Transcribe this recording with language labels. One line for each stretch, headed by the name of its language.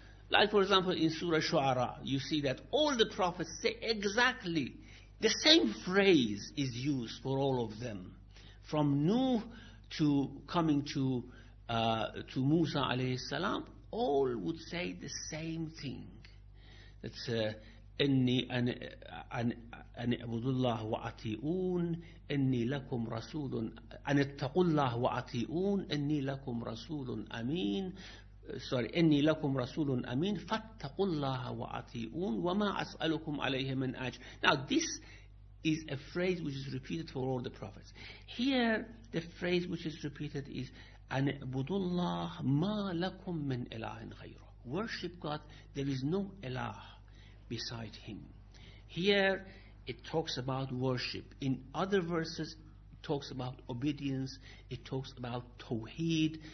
English: Like for example, in Surah Shu'ara, you see that all the prophets say exactly the same phrase is used for all of them, from Nuh to coming to Musa alayhi salam, all would say the same thing. That's
Arabic: إني أن أعبد الله وأطيعون إني لكم رسول أن اتقوا الله وأطيعون إني لكم رسول أمين إني لكم رسول أمين فاتقوا الله وأطيعون وما أسألكم عليه من أجر.
English: Now this is a phrase which is repeated for all the prophets. Here the phrase which is repeated is
Arabic: أن اعبد الله ما لكم من إله غيره.
English: Worship God, there is no إله beside him. Here it talks about worship. In other verses it talks about obedience, it talks about tawheed.